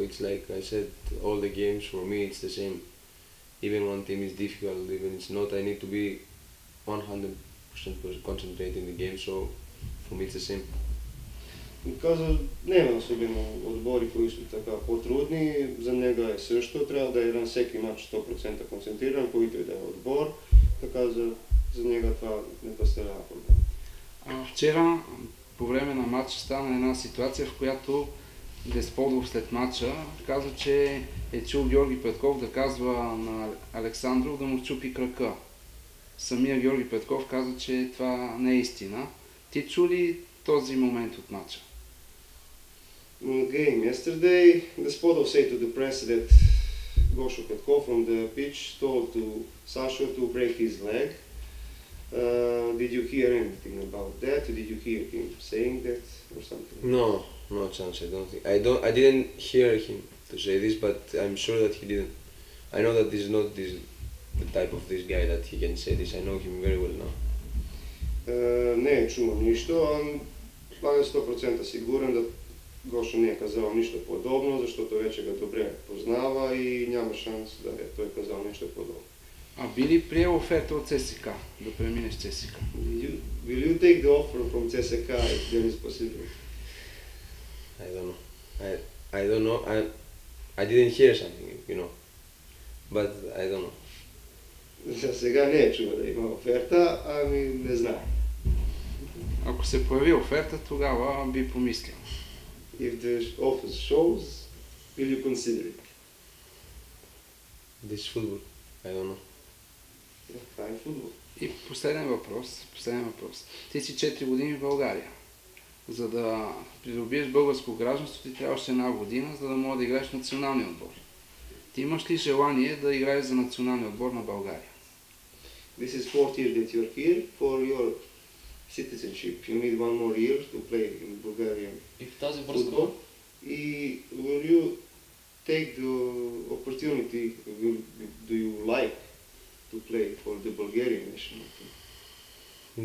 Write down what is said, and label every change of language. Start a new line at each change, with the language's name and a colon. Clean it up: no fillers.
English: It's like I said, all the games for me it's the same. Even one team is difficult, even it's not, I need to be 100% concentrated in the game, so for me it's the same.
Bulgarian: Казва, не има особено отбори, които са така по-трудни, за него е също, трябва да е на всеки матч 100% концентриран, който и да е отбор, така за него това не представлява проблем. А вчера по време на матча стана една ситуация, в която Десподов след матча каза, че е чул Георги Петков да казва на Александров да му чупи крака. Самия Георги Петков каза, че това не е истина. Ти чу ли този момент от матча?
English: Game yesterday, Desportov said to the press that Gosho Petkov from the pitch told to Sasha to break his leg. Did you hear anything about that? Did you hear him saying that or something? No, no chance, I don't think. I didn't hear him to say this, but I'm sure that he didn't. I know that this is not this the type of this guy that he can say this. I know him very well now.
Bulgarian: Не е чувал нищо, това е 100% сигурен да Гошо не е казал нищо подобно, защото вече го добре познава и няма шанс да е той казал нещо подобно. А би ли приел оферта от ЦСКА да премине с ЦСКА?
English: Will you take the offer from ЦСКА if there is possible? I don't know. I didn't hear something, you know. But I don't know.
Bulgarian: За сега не е чувал да има оферта, ами не знае. Ако се появи оферта, тогава би помислил.
English: If the offer shows, will you consider it? This football, I don't know. Yeah, fine football.
Bulgarian: И последен въпрос. Ти си 4 години в България. За да придобиеш българско гражданство, ти трябваше една година, за да може да играеш в националния отбор. Ти имаш ли желание да играеш за националния отбор на България?
English: This is fourth year that you're here for your citizenship. You need one more year to play in Bulgarian football. И will you take the opportunity, do you like to play for the Bulgarian national team?